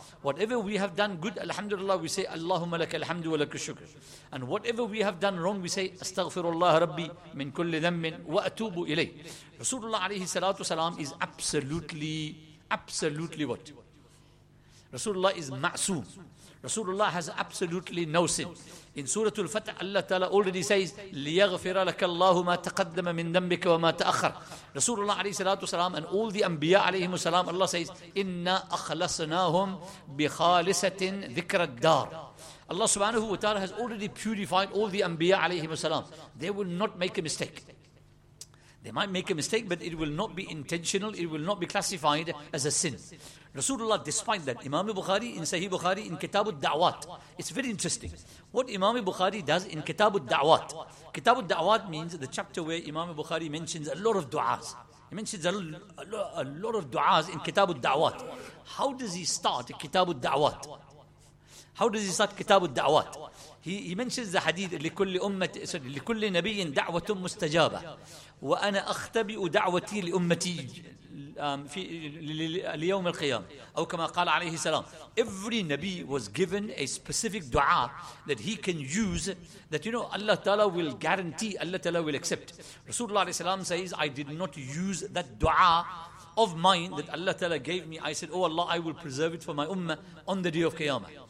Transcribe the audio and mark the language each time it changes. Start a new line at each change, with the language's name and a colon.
English: Whatever we have done good, alhamdulillah, we say,
Arabic: Allahumma laka alhamdu wa laka shukr.
English: And whatever we have done wrong, we say,
Arabic: astaghfirullah rabbi min kulli dhammin wa atubu ilayh.
English: Rasulullah alayhi salatu salam is absolutely what? Rasulullah is ma'soom. Rasulullah has absolutely no sin. In Surah Al-Fath, Allah Ta'ala already says,
Arabic: لِيَغْفِرَ لَكَ اللَّهُ مَا تَقَدَّمَ مِنْ دَمِّكَ وَمَا تَأَخَّرَ.
English: Rasulullah عليه الصلاة والسلام and all the Anbiya عليه السلام, Allah says,
Arabic: إِنَّا أَخْلَصْنَاهُمْ بِخَالِسَةٍ ذِكْرَ الدَّارِ.
English: Allah Subhanahu wa Ta'ala has already purified all the Anbiya عليه السلام. They will not make a mistake. They might make a mistake, but it will not be intentional. It will not be classified as a sin. Rasulullah, despite that, Imam Bukhari in Sahih Bukhari in Kitab al-Da'wat, it's very interesting. What Imam Bukhari does in Kitab al-Da'wat, Kitab al-Da'wat means the chapter where Imam Bukhari mentions a lot of du'as. He mentions a lot of du'as in Kitab al-Da'wat. How does he start Kitab al-Da'wat? How does he start Kitab al-Da'wat? He mentions the hadith,
Arabic: لِكُلِّ نَبِيٍ دَعْوَةٌ مُسْتَجَابَةٌ وَأَنَا أَخْتَبِئُ دَعْوَتِي لِأُمَّتِي في ليوم القيامة أو كما قال عليه السلام.
English: Every Nabi was given a specific dua that he can use, that you know Allah Ta'ala will guarantee, Allah Ta'ala will accept. Rasulullah عليه السلام says, I did not use that dua of mine that Allah Ta'ala gave me. I said, oh Allah, I will preserve it for my ummah on the day of Qiyamah.